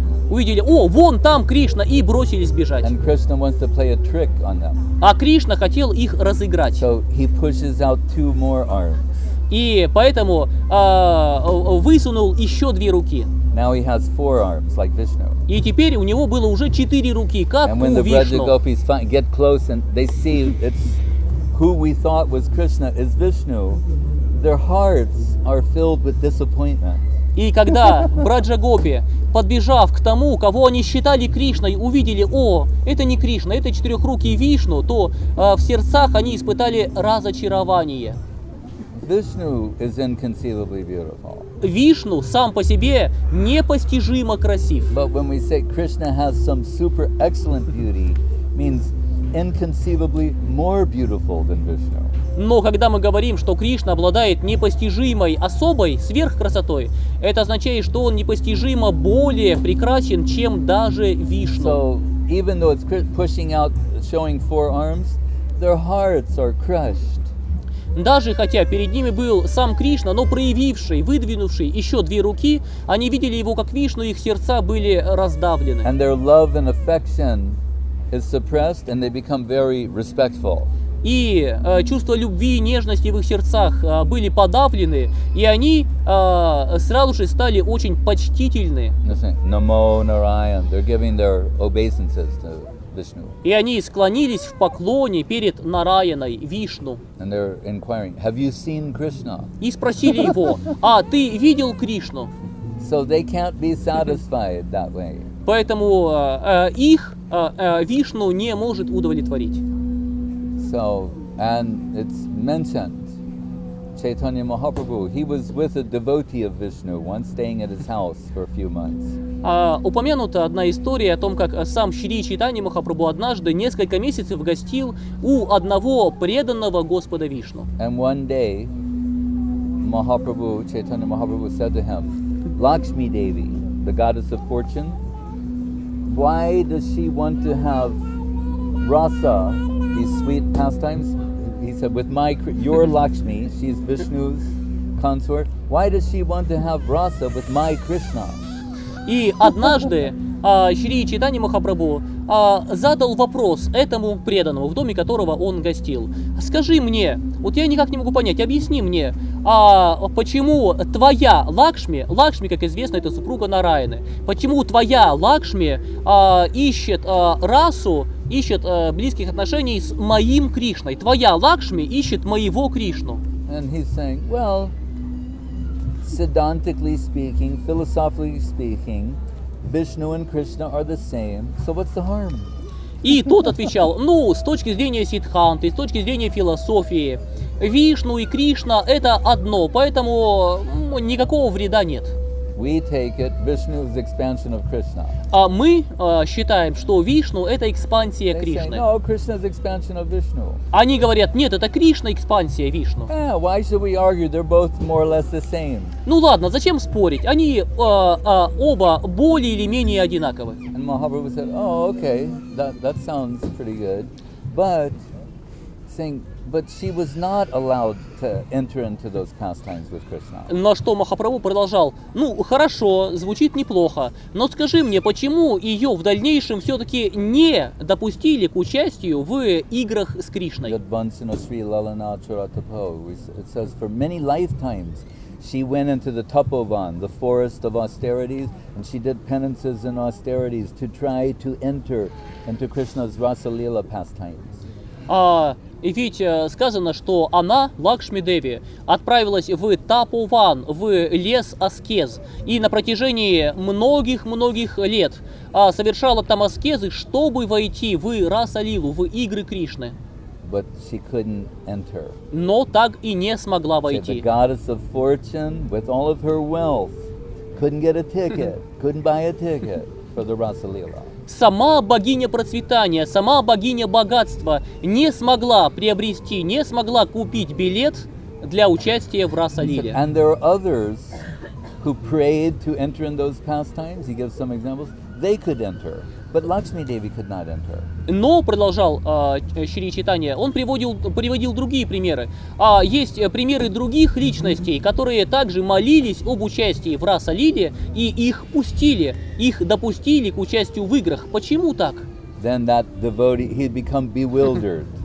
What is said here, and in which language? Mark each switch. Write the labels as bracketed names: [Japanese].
[Russian] Увидели, о, вон там Кришна, и бросились бежать. А Кришна хотел их разыграть. [English] So [Russian] и поэтому высунул еще две руки. [English] Now he has four arms, like Vishnu. [Russian] И теперь у него было уже четыре руки, как у Вишну. [English] And when the Vrajagopis get close and they see it's who we thought was Krishna is Vishnu, their hearts are filled with disappointment. [Russian] И когда Браджагопи, подбежав к тому, кого они считали Кришной, увидели, о, это не Кришна, это четырехрукий Вишну, то в сердцах они испытали разочарование. [English] Vishnu is inconceivably beautiful. [Russian] Вишну сам по себе непостижимо красив. [English] But when we say Krishna has some super excellent beauty, means inconceivably more beautiful than Vishnu. [Russian] Но когда мы говорим, что Кришна обладает непостижимой особой сверхкрасотой, это означает, что он непостижимо более прекрасен, чем даже Вишну. [English] So, even though it's pushing out, showing four arms, their hearts are crushed. [Russian] Даже хотя перед ними был сам Кришна, но проявивший, выдвинувший еще две руки, они видели его как Вишну, их сердца были раздавлены. [English] And their love and affection is suppressed, and they become very respectful. [Russian] и чувство любви и нежности в их сердцах были подавлены, и они сразу же стали очень почтительны. [English] Namo Narayan, they're giving their obeisances to Vishnu. [Russian] И они склонились в поклоне перед Нараяной, Вишну. [English] And they're inquiring, have you seen Krishna? [Russian] И спросили его, а ты видел Кришну? [English] So they can't be satisfied that way. [Russian] Поэтому их Вишну не может удовлетворить. [English] So, and it's mentioned, Chaitanya Mahaprabhu, he was with a devotee of Vishnu, once staying at his house for a few months. [Russian] Упомянута одна история о том, как сам Шри Чайтанья Махапрабху однажды несколько месяцев гостил у одного преданного Господа Вишну. [English] And one day, Mahaprabhu, Chaitanya Mahaprabhu said to him, Lakshmi Devi, the goddess of fortune, why does she want to have rasa, these sweet pastimes? He said, with my, your Lakshmi, she's Vishnu's consort, why does she want to have rasa with my Krishna? [Russian] И однажды Шри Чайтанья Махапрабху задал вопрос этому преданному, в доме которого он гостил. Скажи мне, вот я никак не могу понять, объясни мне, почему твоя Лакшми, Лакшми, как известно, это супруга Нараяны, почему твоя Лакшми ищет расу, ищет близких отношений с моим Кришной? Твоя Лакшми ищет моего Кришну. [English] And he's saying, well, Siddhantically speaking, philosophically speaking, Vishnu and Krishna are the same, so what's the harm? [Russian] И тот отвечал, ну, с точки зрения Сиддханты, с точки зрения философии, Вишну и Кришна – это одно, поэтому никакого вреда нет. [English] We take it, Vishnu is expansion of Krishna. [Russian] А мы считаем, что Вишну – это экспансия Кришны. [English] They say, no, Krishna is expansion of Vishnu. [Russian] Они говорят, нет, это Кришна – экспансия Вишну. [English] Yeah, why should we argue? They're both more or less the same. [Russian] Ну ладно, зачем спорить? Они оба более или менее одинаковы. [English] And Mahaprabhu said, oh, okay, that sounds pretty good. But, saying, but she was not allowed to enter into those pastimes with Krishna. [Russian] На что Махапрабху продолжал, ну, хорошо, звучит неплохо, но скажи мне, почему ее в дальнейшем все-таки не допустили к участию в играх с Кришной? [English] Yadvansino Sri Lalana Charatapo, it says, for many lifetimes she went into the Tapovan, the forest of austerities, and she did penances and austerities to try to enter into Krishna's Rasalila pastimes. [Russian] И ведь сказано, что она, Лакшми Деви, отправилась в Тапуван, в лес аскез, и на протяжении многих-многих лет совершала там аскезы, чтобы войти в Расалилу, в игры Кришны. [English] But she couldn't enter. [Russian] Но так и не смогла войти. [English] The goddess of fortune, with all of her wealth, couldn't get a ticket, couldn't buy a ticket for the Расалила. [Russian] Сама богиня процветания, сама богиня богатства не смогла приобрести, не смогла купить билет для участия в Расалиле. [English] And there are others who prayed to enter in those pastimes. He gives some examples. They could enter, but Lakshmi Devi could not enter. [Russian] Но продолжал Шри Чайтанья. Он приводил другие примеры. А есть примеры других личностей, которые также молились об участии в Расалиле и их пустили, их допустили к участию в играх. Почему так? [English] Then that devotee he'd become bewildered.